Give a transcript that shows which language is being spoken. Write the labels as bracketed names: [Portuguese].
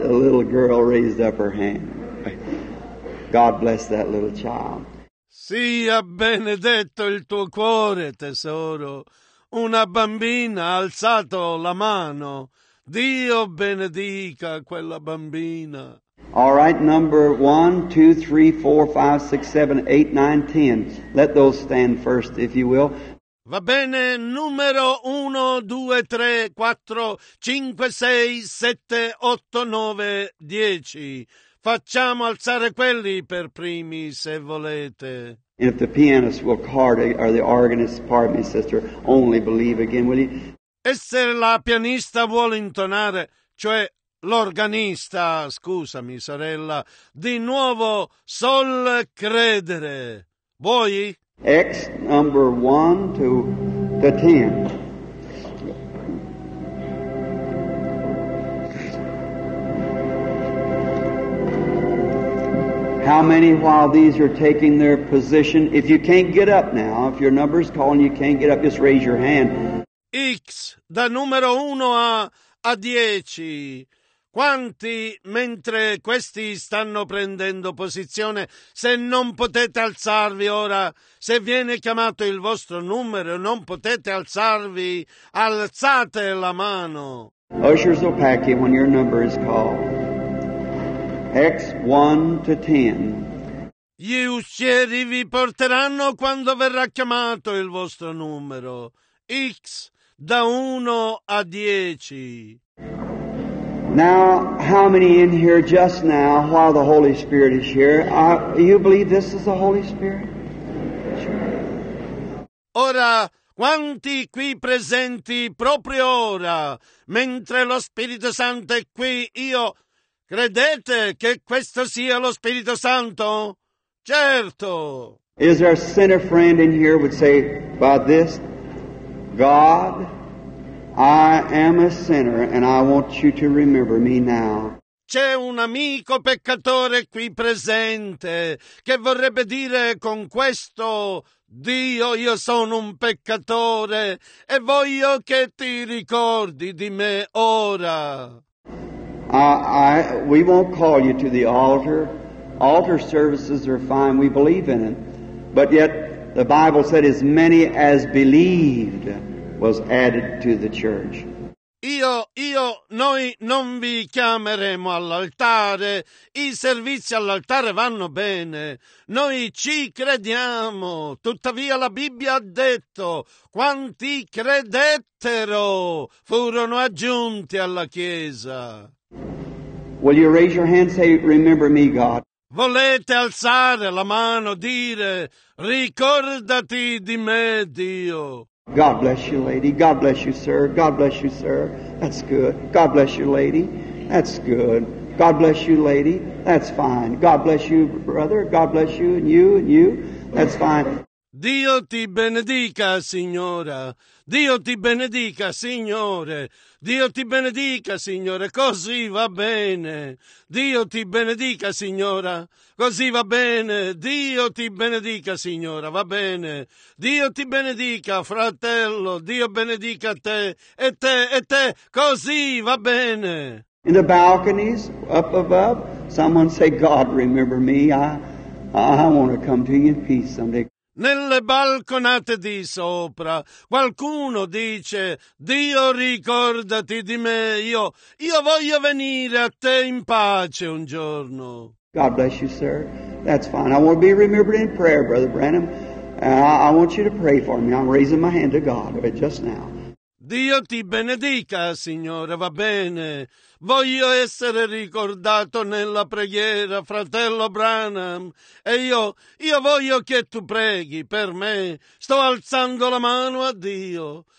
[English] A little girl raised up her hand. God bless that little child. [Italian] Sia benedetto il tuo cuore, tesoro. Una bambina ha alzato la mano. Dio benedica quella bambina. [English] All right, number 1, 2, 3, 4, 5, 6, 7, 8, 9, 10. Let those stand first, if you will. [Italian] Va bene, numero 1, 2, 3, 4, 5, 6, 7, 8, 9, 10. Facciamo alzare quelli per primi, se volete. [English] And if the pianist will card or the organist, pardon me, sister, only believe again, will you? [Italian] E se la pianista vuole intonare, cioè l'organista, scusami sorella, di nuovo sol credere. Vuoi? [English] X number 1 to the 10. How many while these are taking their position? If you can't get up now, if your number's calling, you can't get up, just raise your hand. [Italian] X, da numero 1 a 10. Quanti, mentre questi stanno prendendo posizione, se non potete alzarvi ora, se viene chiamato il vostro numero e non potete alzarvi, alzate la mano. [English] Ushers will pack you when your number is called. X 1 to 10. [Italian] Gli uscieri vi porteranno quando verrà chiamato il vostro numero. X da 1 a 10. [English] Now, how many in here just now, while the Holy Spirit is here, you believe this is the Holy Spirit? [Italian] Ora, quanti qui presenti proprio ora, mentre lo Spirito Santo è qui, io... Credete che questo sia lo Spirito Santo? Certo! [English] Is there a sinner friend in here would say, by this, God, I am a sinner and I want you to remember me now. [Italian] C'è un amico peccatore qui presente che vorrebbe dire con questo, Dio, io sono un peccatore e voglio che ti ricordi di me ora. [English] We won't call you to the altar. Altar services are fine. We believe in it. But yet, the Bible said as many as believed was added to the church. [Italian] Io, noi non vi chiameremo all'altare, i servizi all'altare vanno bene, noi ci crediamo, tuttavia la Bibbia ha detto, quanti credettero furono aggiunti alla Chiesa. [English] Will you raise your hand and say, remember me, God? [Italian] Volete alzare la mano, dire, ricordati di me, Dio. [English] God bless you, lady. God bless you, sir. God bless you, sir. That's good. God bless you, lady. That's good. God bless you, lady. That's fine. God bless you, brother. God bless you and you. That's fine. [Italian] Dio ti benedica, signora. Dio ti benedica, signore. Dio ti benedica, signore. Così va bene. Dio ti benedica, signora. Così va bene. Dio ti benedica, signora. Va bene. Dio ti benedica, fratello. Dio benedica te e te e te. Così va bene. [English] In the balconies, up above, someone say, God, remember me. I want to come to you in peace someday. [Italian] Nelle balconate di sopra qualcuno dice, Dio ricordati di me, io voglio venire a te in pace un giorno. [English] God bless you, sir. That's fine. I want to be remembered in prayer, Brother Branham. I want you to pray for me. I'm raising my hand to God just now. [Italian] Dio ti benedica, signore, va bene. Voglio essere ricordato nella preghiera, fratello Branham. E io voglio che tu preghi per me. Sto alzando la mano a Dio.